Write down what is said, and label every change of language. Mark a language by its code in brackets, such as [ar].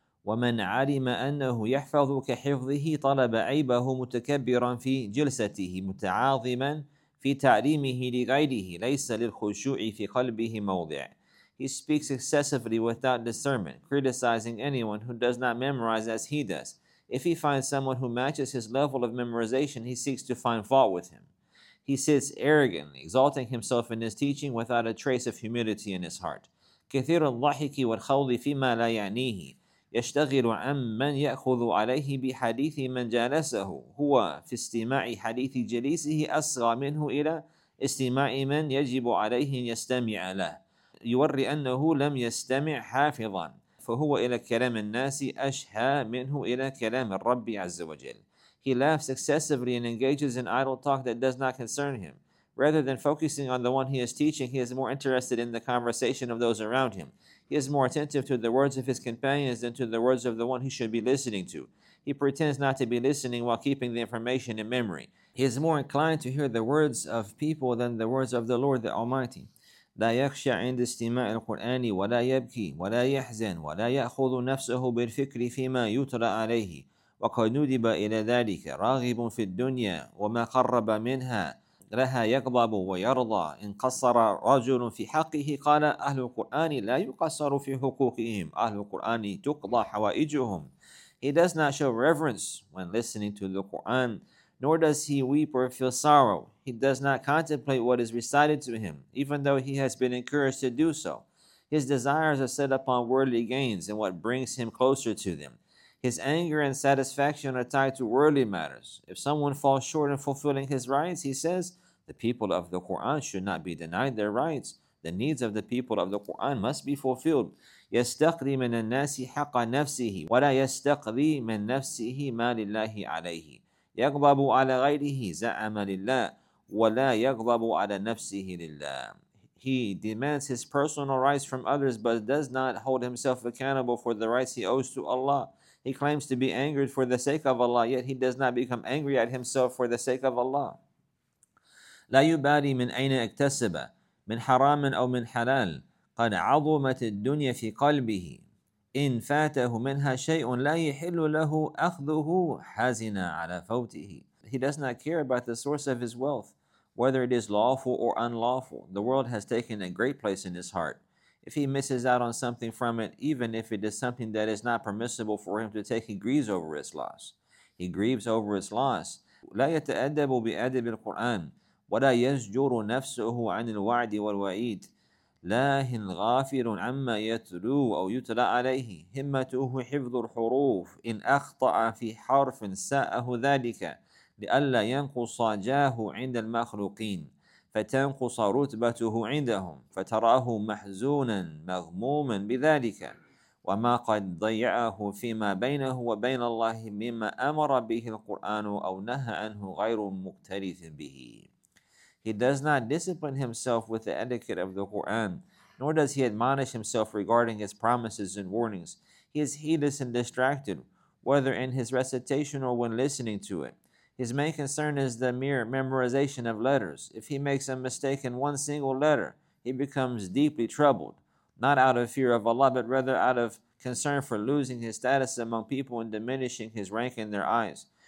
[ar] ومن علم أنه يحفظ كحفظه طلب عيبه متكبرا في جلسته متعاظما في تعليمه لغيره ليس للخشوع في قلبه موضع. [en] He speaks excessively without discernment, criticizing anyone who does not memorize as he does. If he finds someone who matches his level of memorization, he seeks to find fault with him. He sits arrogantly, exalting himself in his teaching without a trace of humility in his heart. [ar] كثير الضحك والخوض فيما لا يعنيه يشتغل عن من يأخذ عليه بحديث من جالسه هو في استماع حديث جليسه أصغى منه إلى استماع من يجب عليه أن يستمع له يوري أنه لم يستمع حافظا فهو إلى كلام الناس أشهى منه إلى كلام الرب عز وجل. [en] He laughs excessively and engages in idle talk that does not concern him. Rather than focusing on the one he is teaching, he is more interested in the conversation of those around him. He is more attentive to the words of his companions than to the words of the one he should be listening to. He pretends not to be listening while keeping the information in memory. He is more inclined to hear the words of people than the words of the Lord the Almighty. [ar] لا يخشى عند استماع القرآن ولا يبكي ولا يحزن ولا يأخذ نفسه بالفكر فيما يترى عليه وقد ندب إلى ذلك راغب في الدنيا وما قرب منها لها يغضب ويرضى إن قصر رجل في حقه قال أهل القرآن لا يقصر في حقوقهم أهل القرآن تقضى حوائجهم. [en] He does not show reverence when listening to the Quran, nor does he weep or feel sorrow. He does not contemplate what is recited to him, even though he has been encouraged to do so. His desires are set upon worldly gains and what brings him closer to them. His anger and satisfaction are tied to worldly matters. If someone falls short in fulfilling his rights, he says, the people of the Quran should not be denied their rights. The needs of the people of the Quran must be fulfilled. [ar] يستقضي من الناس حق نفسه ولا يستقضي من نفسه ما لله عليه. يغضب على غيره زعم لله ولا يغضب على نفسه لله. [en] He demands his personal rights from others but does not hold himself accountable for the rights he owes to Allah. He claims to be angered for the sake of Allah, yet he does not become angry at himself for the sake of Allah. [ar] لا يبالي من أين اكتسب من حرام أو من حلال قد عظمت الدنيا في قلبه إن فاته منها شيء لا يحل له أخذه حزنا على فوته. [en] He does not care about the source of his wealth, whether it is lawful or unlawful. The world has taken a great place in his heart. If he misses out on something from it, even if it is something that is not permissible for him to take, he grieves over its loss. He grieves over its loss. [ar] لا يتأدب بأدب القرآن ولا يزجر نفسه عن الوعد والوعيد لاهن غافل عما يتلو أو يتلى عليه همته حفظ الحروف إن أخطأ في حرف ساءه ذلك لألا ينقص جاه عند المخلوقين فتنقص رتبته عندهم فتراه محزونا مغموما بذلك وما قد ضيعه فيما بينه وبين الله مما أمر به القرآن أو نهى عنه غير مكترث به. [en] He does not discipline himself with the etiquette of the Quran, nor does he admonish himself regarding its promises and warnings. He is heedless and distracted, whether in his recitation or when listening to it. His main concern is the mere memorization of letters. If he makes a mistake in one single letter, he becomes deeply troubled, not out of fear of Allah, but rather out of concern for losing his status among people and diminishing his rank in their eyes.